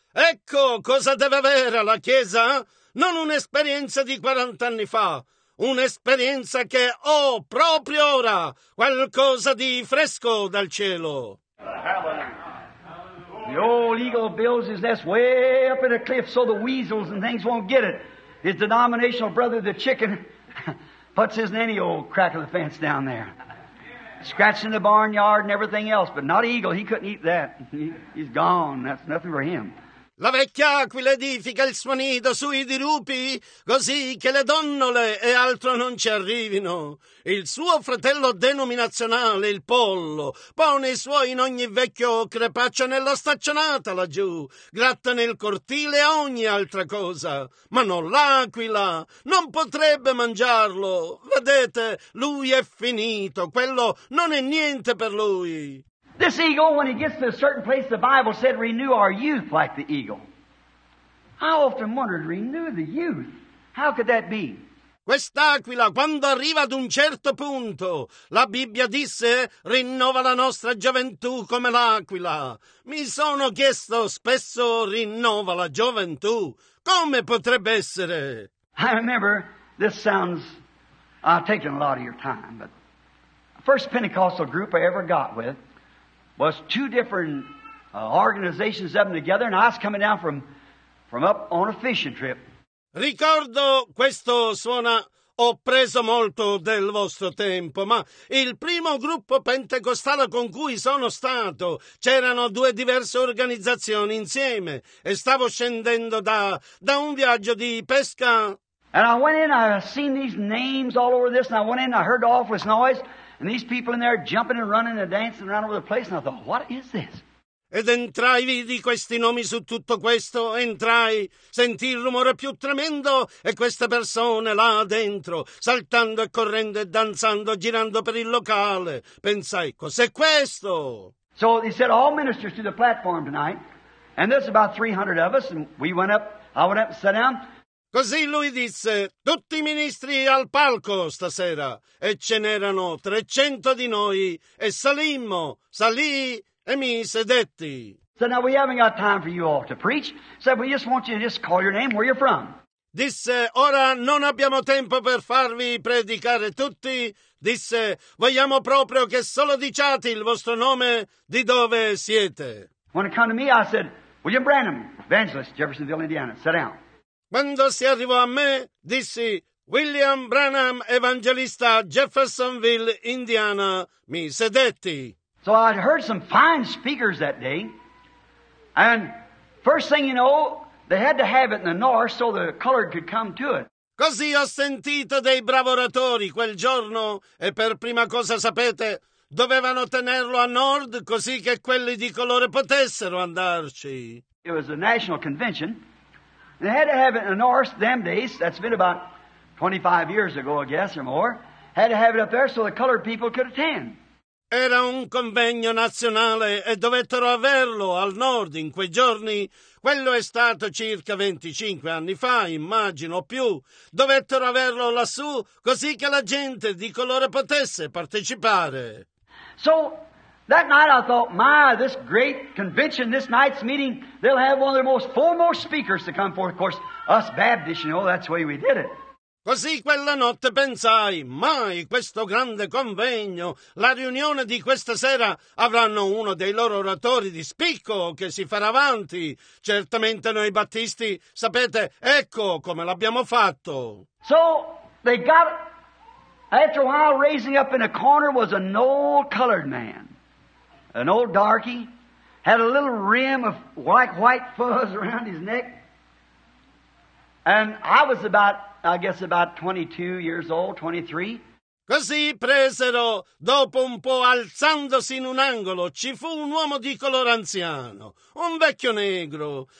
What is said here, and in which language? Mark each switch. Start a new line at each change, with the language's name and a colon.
Italian: Ecco cosa deve avere la Chiesa. Non un'esperienza di 40 anni fa. Un'esperienza che ho proprio ora, qualcosa di fresco dal cielo.
English: The old old eagle builds his nest way up in a cliff so the weasels and things won't get it. His denominational brother, the chicken, puts his nanny old crack of the fence down there. Scratching the barnyard and everything else, but not eagle. He couldn't eat that. He's gone. That's nothing for him.
Italian: La vecchia aquila edifica il suo nido sui dirupi, così che le donnole e altro non ci arrivino. Il suo fratello denominazionale, il pollo, pone i suoi in ogni vecchio crepaccio nella staccionata laggiù, gratta nel cortile a ogni altra cosa. Ma non l'aquila, non potrebbe mangiarlo. Vedete, lui è finito, quello non è niente per lui.
English: This eagle, when he gets to a certain place, the Bible said, renew our youth like the eagle. I often wondered, renew the youth? How could that be?
Italian: Quest'aquila, quando arriva ad un certo punto, la Bibbia disse, rinnova la nostra gioventù come l'aquila. Mi sono chiesto, spesso rinnova la gioventù. Come potrebbe essere?
English: I remember, this sounds, I've taken a lot of your time, but the first Pentecostal group I ever got with was two different organizations of them together, and I was coming down from up on a fishing trip.
Italian: Ricordo, questo suona, ho preso molto del vostro tempo, ma il primo gruppo pentecostale con cui sono stato, c'erano due diverse organizzazioni insieme, e stavo scendendo da un viaggio di pesca.
English: And I went in, I seen these names all over this, and I went in, I heard the awful noise, and these people in there jumping and running and dancing around over the place, and I thought, what is this?
Italian: Ed entrai, vidi questi nomi su tutto questo, entrai, sentì il rumore più tremendo, e queste persone là dentro, saltando e correndo e danzando, girando per il locale. Pensai, cos'è questo?
English: So they said, all ministers to the platform tonight, and there's about 300 of us, and we went up, I went up and sat down.
Italian: Così lui disse, tutti i ministri al palco stasera, e ce n'erano 300 di noi, e salimmo, salì e mi sedetti.
English: So now we haven't got time for you all to preach, so we just want you to just call your name, where you're from.
Italian: Disse, ora non abbiamo tempo per farvi predicare tutti, disse, vogliamo proprio che solo diciate il vostro nome, di dove siete.
English: When it come to me, I said, William Branham, evangelist, Jeffersonville, Indiana, sit down.
Italian: Quando si arrivò a me, dissi, William Branham, evangelista, Jeffersonville, Indiana, mi sedetti.
English: So I'd heard some fine speakers that day, and first thing you know, they had to have it in the north so the colored could come to it.
Italian: Così ho sentito dei bravi oratori quel giorno, e per prima cosa sapete, dovevano tenerlo a nord così che quelli di colore potessero andarci.
English: It was a national convention. They had to have it in the north them days, that's been about 25 years ago, I guess, or more, had to have it up there so the colored people could attend.
Italian: Era un convegno nazionale e dovettero averlo al nord in quei giorni. Quello è stato circa 25 anni fa, immagino, più. Dovettero averlo lassù così che la gente di colore potesse partecipare.
English: So, that night I thought, my, this great convention, this night's meeting, they'll have one of their most foremost speakers to come forth. Of course, us Baptists, you know, that's the way we did it.
Italian: Così quella notte pensai, mai questo grande convegno, la riunione di questa sera, avranno uno dei loro oratori di spicco che si farà avanti. Certamente noi Battisti, sapete, ecco come l'abbiamo fatto.
English: So, they got, after a while, raising up in a corner was an old colored man. An old darky had a little rim of white fuzz around his neck. And I was about 22 years old, 23.
Italian: Così presero, dopo un po' alzandosi in un angolo, ci fu un uomo di color anziano, un vecchio negro.